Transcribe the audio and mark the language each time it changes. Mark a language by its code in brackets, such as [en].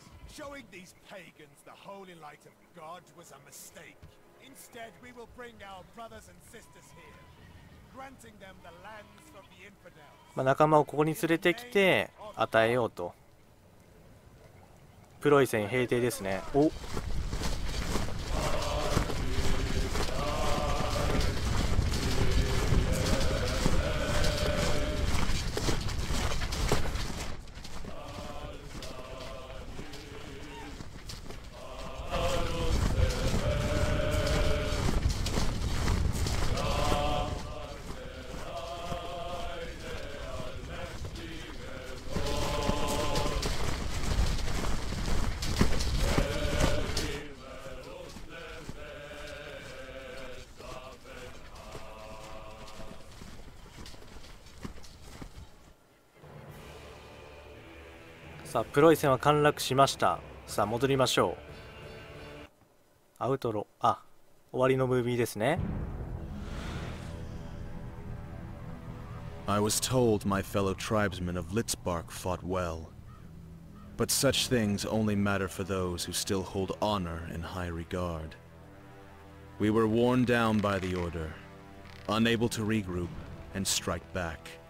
[en] Showing these pagans the holy light of God was a mistake. Instead, we will bring our brothers and sisters here, granting them the lands from the infidels. [ja] まあ仲間をここに連れてきて与えようと。プロイセン平定ですね。お。さあプロイセンは陥落しました。さあ戻りましょう。アウトロ、あ、終わりのムービーですね。 [en] I was told my fellow tribesmen of Litzbark fought well, but such things only matter for those who still hold honor in high regard. We were worn down by the order, unable to regroup and strike back.